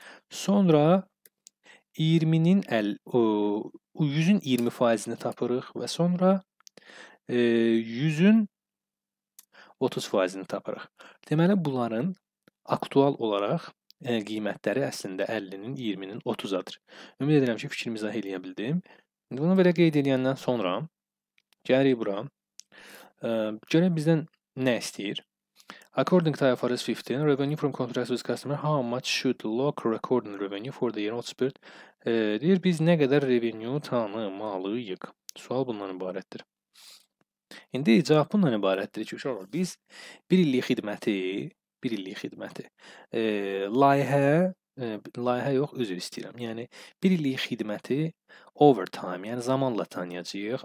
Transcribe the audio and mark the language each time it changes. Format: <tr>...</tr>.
<az>Sonra 20-nin 100-ün 20%-ini tapırıq və sonra 100-ün 30%-ini tapırıq. Deməli bunların aktual olaraq qiymətləri əslində 50-nin, 20-nin 30-adır. Ümid edirəm ki, fikrimi izah eləyə bildim. İndi bunu belə qeyd edəndən sonra gəlirik bura. Görək bizdən nə istəyir?</az> <en>According to IFRS 15, revenue from contracts with customer, how much should LOC record in revenue for the year of spirit?</en> <az>Deyir, biz nə qədər revenue tanımalıyıq? Sual bundan ibarətdir. İndi cavab bundan ibarətdir ki, uşaqlar, biz bir illik xidməti, layihə yox, özür istəyirəm. Yəni, bir illik xidməti overtime, yəni zamanla tanıyacağıq.</az>